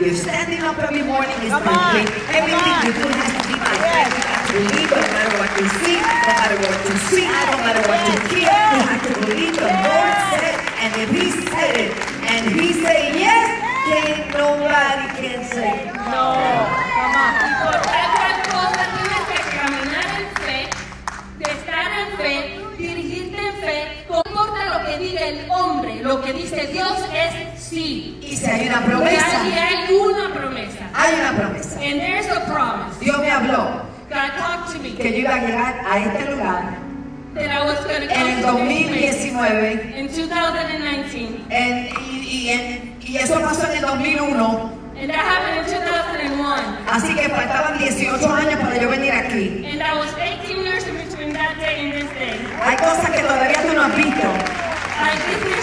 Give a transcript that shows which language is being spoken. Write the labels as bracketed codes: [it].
[en] Your standing up every morning is by faith. Everything you do has to be by faith. You have to believe no matter what you see, no matter what you see, no matter what you hear. You have to believe the Lord said, and if He said it, and say yes, can't nobody can say no. Come on. [es] Y por otra cosa tienes que caminar en fe, de estar en fe, dirigirte en fe, no importa lo que diga el hombre, lo que dice Dios es sí. Y si hay una promesa. Y hay una promesa. Hay una promesa. [en] And there's a promise. [es] Dios me habló. [en] God talked to me. [es] Que yo iba a llegar a este lugar. [en] That I was going to come [es] en el 2019, [en] in 2019, [es] y eso pasó en el 2001, [en] and that happened in 2001. [es] Así que faltaban 18 años para yo venir aquí. [en] And I was 18 years in between that day and this day. [es] Hay cosas que todavía tú no has visto.